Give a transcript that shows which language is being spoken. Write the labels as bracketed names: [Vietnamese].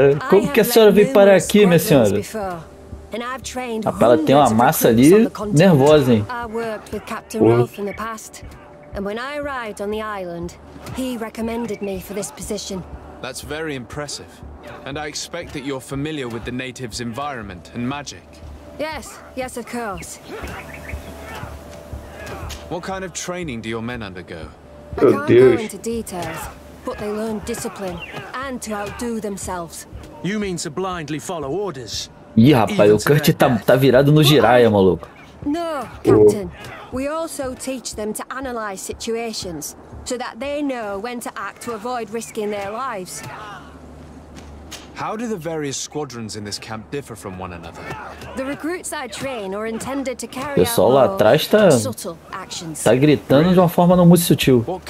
[Portuguese] Como que a senhora veio parar aqui, minha senhora? A pala tem uma massa ali nervosa, hein? [English] I worked with Captain Rolf in the past, and when I arrived on the island, he recommended me for this position. That's very impressive. And I expect that you're familiar with the natives' environment and magic. Yes, yes, of course. What kind of training do your men undergo? I can't go into details, but they learn discipline and to outdo themselves. You mean to blindly follow orders? [Portuguese] Ih, rapaz, o Kurt tá virado no Jiraiya, maluco. [English] No, Captain. We also teach them to analyze situations. So that they know when to act to avoid risking their lives. How do the various squadrons in this camp differ from one another? The recruits I train are intended to carry out subtle actions. [Portuguese] O pessoal lá atrás tá gritando de uma forma não muito sutil.